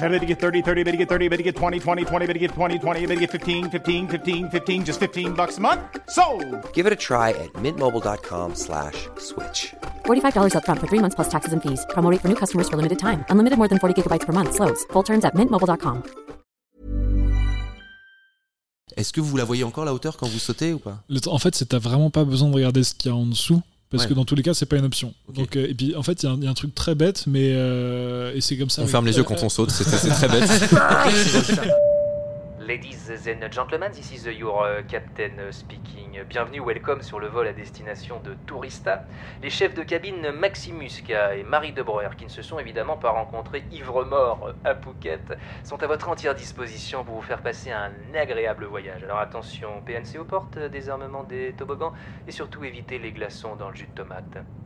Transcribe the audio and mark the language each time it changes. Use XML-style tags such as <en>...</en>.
<en>I bet you get 30, 30, I bet you get 30, I bet you get 20, 20, 20, I bet you get 20, 20, I bet you get 15, 15, 15, 15, just $15 a month, sold. Give it a try at mintmobile.com/switch. $45 up front for 3 months plus taxes and fees. Promo rate for new customers for limited time. Unlimited more than 40 gigabytes per month. Slows full terms at mintmobile.com.</en> <fr>Est-ce que vous la voyez encore, la hauteur, quand vous sautez ou pas? En fait, c'est, t'as vraiment pas besoin de regarder ce qu'il y a en dessous, parce que dans tous les cas, c'est pas une option. Okay. Donc, et puis, en fait, il y a un truc très bête, mais et c'est comme ça. On ferme les yeux quand on saute, c'est très bête.</fr> <en>Ladies and gentlemen, this is your captain speaking.</en> <fr>Bienvenue, welcome sur le vol à destination de Tourista. Les chefs de cabine Maximusca et Marie De Breuer, qui ne se sont évidemment pas rencontrés ivre-mort à Phuket, sont à votre entière disposition pour vous faire passer un agréable voyage. Alors attention, PNC aux portes, désarmement des toboggans, et surtout évitez les glaçons dans le jus de tomate.</fr>